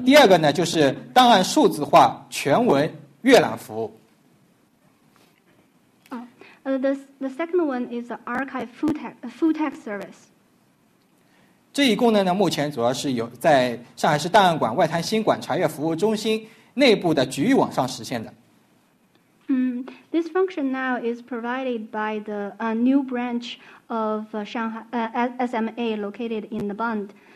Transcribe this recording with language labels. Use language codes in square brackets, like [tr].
[zh] 第二个呢，就是档案数字化全文阅览服务。 [en] The second one is the archive full text service. [zh] 这一功能呢，目前主要是有在上海市档案馆外滩新馆查阅服务中心内部的局域网上实现的。 [en] This function now is provided by the new branch of Shanghai SMA located in the Bund.